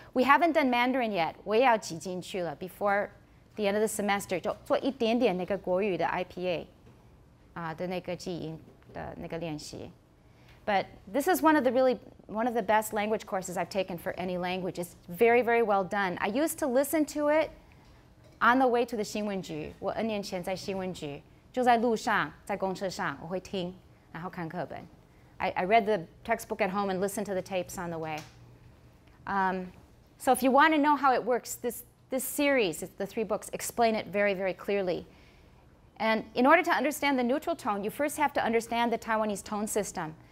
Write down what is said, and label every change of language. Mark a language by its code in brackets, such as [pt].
[en] We haven't done Mandarin yet. [zh] 我也要挤进去了, [en] before the end of the semester, [zh] 就做一点点那个国语的 IPA, 的那个记忆的那个练习. [en] But this is one of the best language courses I've taken for any language. It's very, very well done. I used to listen to it on the way to the 新闻局. [zh] 我2年前在新闻局, 就在路上, 在公车上, 我会听, 然后看课本. [en] I read the textbook at home and listened to the tapes on the way. So if you want to know how it works, this series, the 3 books, explain it very, very clearly. And in order to understand the neutral tone, you first have to understand the Taiwanese tone system.